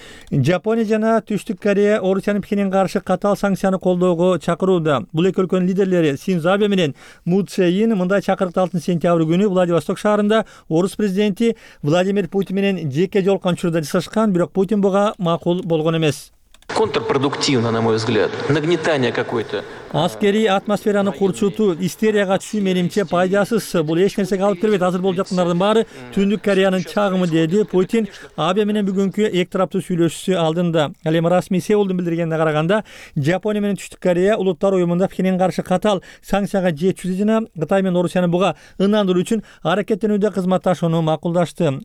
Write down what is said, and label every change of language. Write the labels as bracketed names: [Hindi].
[Kyrgyz] Жапония жана Түштүк Корея Орусиянын Пекинге каршы катаал санкцияны колдоого чакырууда. Бул эки өлкөнүн лидерлери Синзо Абе менен Му Цзе Ин мындай чакырыкты 6 сентябрь күнү Владивосток шаарында орус президенти Владимир Путин менен жеке жолукан учурда жасашкан, бирок Путин буга макул болгон эмес. [Russian] Контрпродуктивно, на мой взгляд, нагнетание какое-то. [Kyrgyz] Аскерий атмосфераны курчутуу истерияга түшүү менимче пайдасыз. Бул эч нерсеге алып келбейт. Азыр болуп жаткандардын баары Түндүк Кореянын чагымы, деди Путин Абе менен бүгүнкү эки тараптуу сүйлөшүүсү алдында. Ал эми расмий Сеулдун билдиргенине караганда Жапония менен Түштүк Корея улуттар уюмунда Пекинге каршы катаал санкцияга жетүүсү жана Кытай менен Орусияны буга ынандыруу үчүн аракеттенүүдө кызматташууну макулдашты.